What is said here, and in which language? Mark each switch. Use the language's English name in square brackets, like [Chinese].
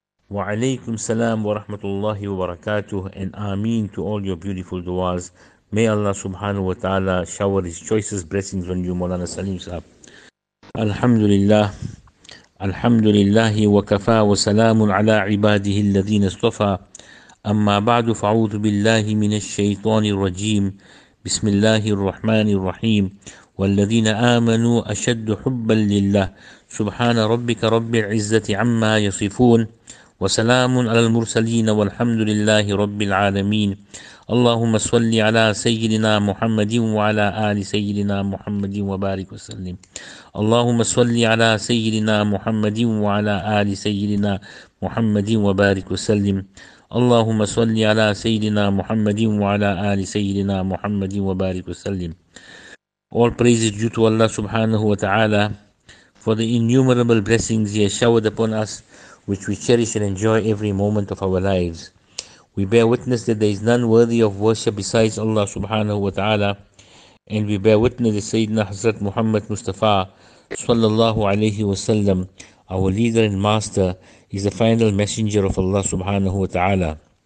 [Arabic] وعليكم السلام ورحمة الله وبركاته. [English] And آمين to all your beautiful duas. May Allah subhanahu wa ta'ala shower his choicest blessings on you, Mawlana Salim sahab. [Arabic] الحمد لله الحمد لله وكفى وسلام على عباده الذين اصطفى. أما بعد، فأعوذ بالله من الشيطان الرجيم. بسم الله الرحمن الرحيم. والذين آمنوا أشد حبا لله. سبحان ربك رب العزة عما يصفون، وسلام على المرسلين، والحمد لله رب العالمين. اللهم صل على سيدنا محمد وعلى آل سيدنا محمد وبارك وسلم. اللهم صل على سيدنا محمد وعلى آل سيدنا محمد وبارك وسلم. اللهم صل على سيدنا محمد وعلى آل سيدنا محمد وبارك وسلم. [English] All praises due to Allah subhanahu wa ta'ala for the innumerable blessings He has showered upon us, which we cherish and enjoy every moment of our lives. We bear witness that there is none worthy of worship besides Allah subhanahu wa ta'ala, and we bear witness that Sayyidina Hazrat Muhammad Mustafa sallallahu alayhi wa sallam, our leader and master, is the final messenger of Allah subhanahu wa ta'ala.